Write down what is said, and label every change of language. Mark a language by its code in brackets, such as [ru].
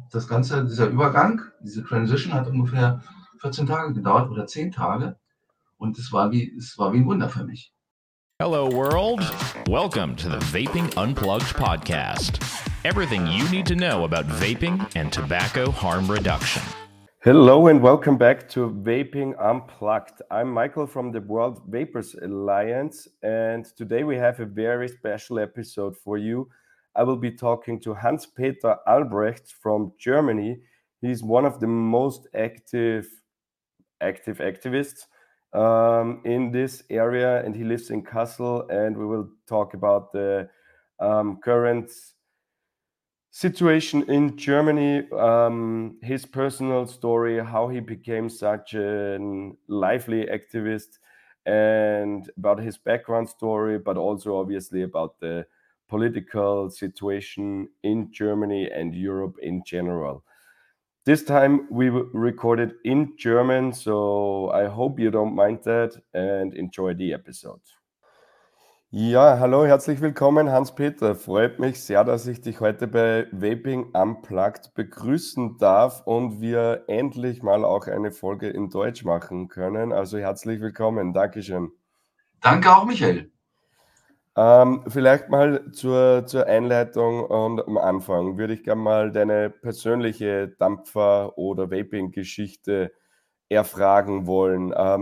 [de] Das Ganze, dieser Übergang, diese Transition hat ungefähr 14 Tage gedauert oder 10 Tage. Und es war wie ein Wunder für mich. [en] Hello world. Welcome to the Vaping Unplugged Podcast. Everything you need to know about vaping and tobacco harm reduction. Hello and welcome back to Vaping Unplugged. I'm Michael from the World Vapers Alliance, and today we have a very special episode for you. I will be talking to Hans-Peter Albrecht from Germany. He's one of the most active activists in this area, and he lives in Kassel, and we will talk about the current situation in Germany, his personal story, how he became such a lively activist, and about his background story, but also obviously about the political situation in Germany and Europe in general. This time we recorded in German, so I hope you don't mind that and enjoy the episode. [de] Ja, hallo, herzlich willkommen, Hans-Peter. Freut mich sehr, dass ich dich heute bei Vaping Unplugged begrüßen darf und wir endlich mal auch eine Folge in Deutsch machen können. Also herzlich willkommen, Dankeschön. Danke auch, Michael. Vielleicht mal zur Einleitung und am Anfang würde ich gerne mal deine persönliche Dampfer- oder Vaping-Geschichte erfragen wollen.